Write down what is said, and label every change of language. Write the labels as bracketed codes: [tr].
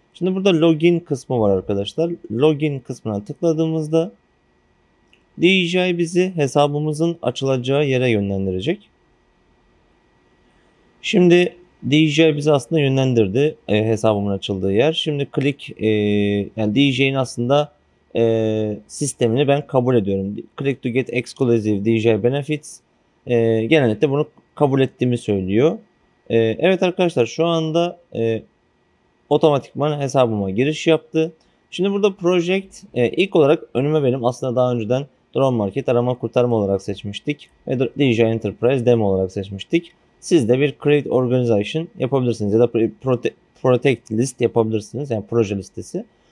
[tr] Şimdi burada login kısmı var arkadaşlar. Login kısmına tıkladığımızda DJI bizi hesabımızın açılacağı yere yönlendirecek. Şimdi DJI bizi aslında yönlendirdi hesabımın açıldığı yer. Şimdi click, yani DJI'nin aslında sistemini ben kabul ediyorum. [en] Click to get exclusive DJI benefits. [tr] Genellikle bunu kabul ettiğimi söylüyor. Evet arkadaşlar, şu anda otomatikman hesabıma giriş yaptı. Şimdi burada project ilk olarak önüme benim aslında daha önceden Drone Market arama kurtarma olarak seçmiştik. Ve DJI Enterprise demo olarak seçmiştik. Siz de bir create organization yapabilirsiniz ya da protect list yapabilirsiniz, yani proje listesi.